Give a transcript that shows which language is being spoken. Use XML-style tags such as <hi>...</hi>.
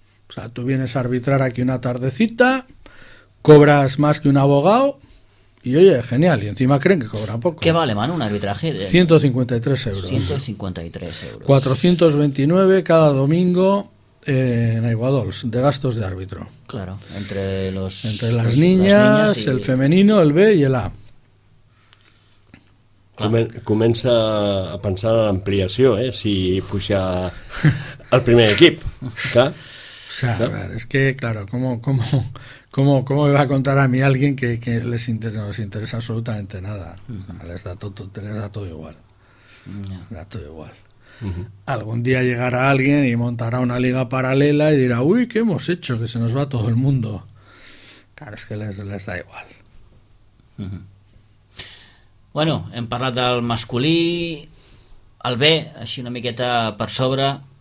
<es>O sea, tú vienes a arbitrar aquí una tardecita, cobras más que un abogado y oye, genial, y encima creen que cobra poco. ¿Qué vale, Manu, un arbitraje? 153 euros. 153 euros. 429 cada domingo en Aiguadols, de gastos de árbitro. Claro, entre las niñas y el femenino, el B y el A.</es> <ca>Comença a pensar en l'ampliació, si puja al primer equip, clar.</ca> <es>O sea, ¿no? Ver, es que, claro, ¿cómo me va a contar a mí alguien que les interesa, no les interesa absolutamente nada? Uh-huh. Les da todo igual. Yeah. Da todo igual. Uh-huh. Algún día llegará alguien y montará una liga paralela y dirá, uy, ¿qué hemos hecho? Que se nos va todo el mundo. Claro, es que les da igual. Uh-huh.</es> <ca>Bueno, hem parlat del masculí, el B, així una miqueta per sobre.</ca>